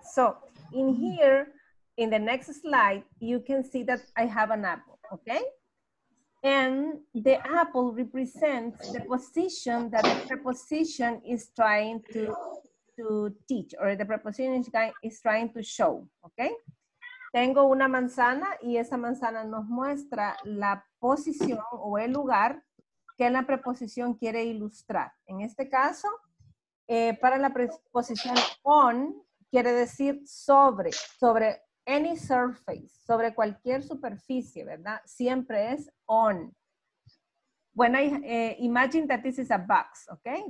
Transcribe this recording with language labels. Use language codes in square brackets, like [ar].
[en] So in here, in the next slide, you can see that I have an apple, okay? And the apple represents the position that the preposition is trying to teach, or the preposition is trying to show, okay? [es] Tengo una manzana y esa manzana nos muestra la posición o el lugar que la preposición quiere ilustrar. En este caso, para la preposición on, quiere decir sobre [en] any surface, [es] sobre cualquier superficie, ¿verdad? Siempre es on. [en] when I imagine that this is a box, okay?